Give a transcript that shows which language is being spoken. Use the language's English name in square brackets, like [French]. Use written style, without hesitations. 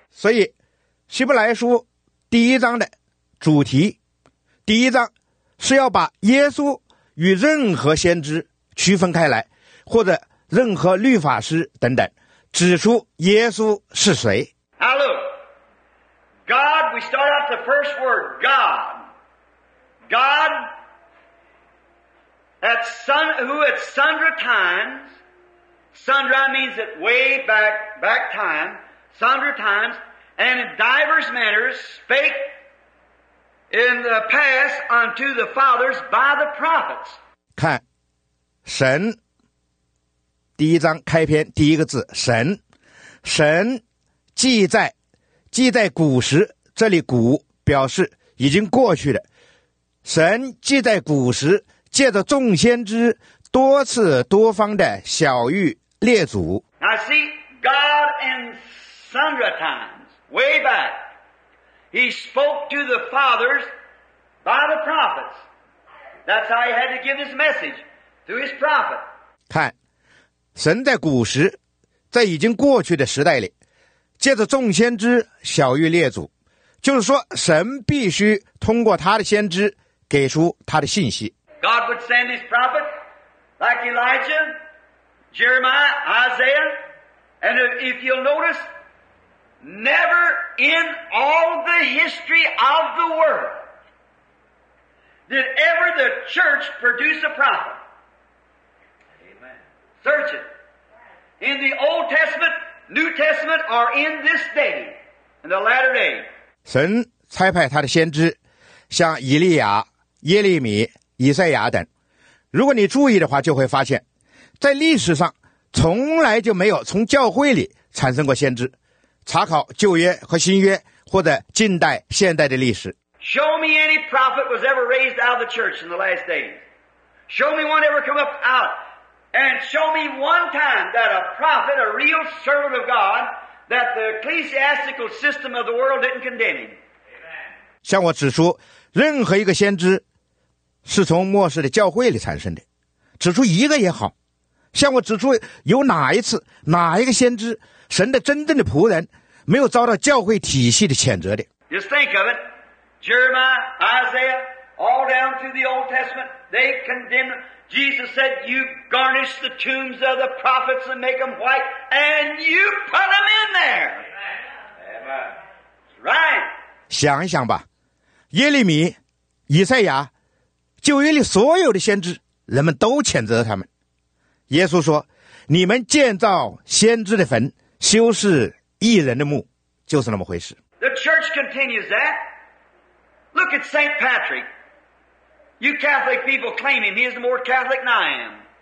[Chinese] 所以，希伯来书第一章的主题，第一章是要把耶稣与任何先知区分开来，或者任何律法师等等，指出耶稣是谁。 [English] Now look, God, we start off the first word, God. God, who at sundry times, sundry means that way back time, sundry times, and in divers manners spake in the past unto the fathers by the prophets. [Chinese] 看神第一章开篇第一个字，神，神记在古时，这里古表示已经过去的，神记在古时借着众先知多次多方的晓谕列祖。 [English] I see God in sundry times way back he spoke to the fathers by the prophets, that's how he had to give his message through his prophet. [Chinese] 看神在古时，在已经过去的时代里，借着众先知晓谕列祖，就是说神必须通过他的先知给出他的信息。 [English] God would send his prophet like Elijah, Jeremiah, Isaiah, and if you'll notice, never in all the history of the world did ever the church produce a prophet. Search it. In the Old Testament, New Testament, or in this day, in the latter day. [Chinese] 神差派他的先知，像以利亚、耶利米、以赛亚等。如果你注意的话，就会发现，在历史上从来就没有从教会里产生过先知。查考旧约和新约，或者近代、现代的历史。 [English] Show me any prophet was ever raised out of the church in the last days. Show me one ever come up out. And show me one time that a prophet, a real servant of God, that the ecclesiastical system of the world didn't condemn him. [Chinese] 向我指出，任何一个先知是从末世的教会里产生的，指出一个也好。向我指出，有哪一次哪一个先知，神的真正的仆人，没有遭到教会体系的谴责的 [English] ？Just think of it, Jeremiah, Isaiah, all down through the Old Testament, they condemned. Jesus said, you garnish the tombs of the prophets and make them white, and you put them in there. Amen. Right. [Chinese] 想一想吧，耶利米、以赛亚、旧约里所有的先知，人们都谴责他们。耶稣说，你们建造先知的坟，修饰义人的墓，就是那么回事。 [English] The church continues that. Look at St. Patrick. You Catholic people claim him. He is more Catholic than I am.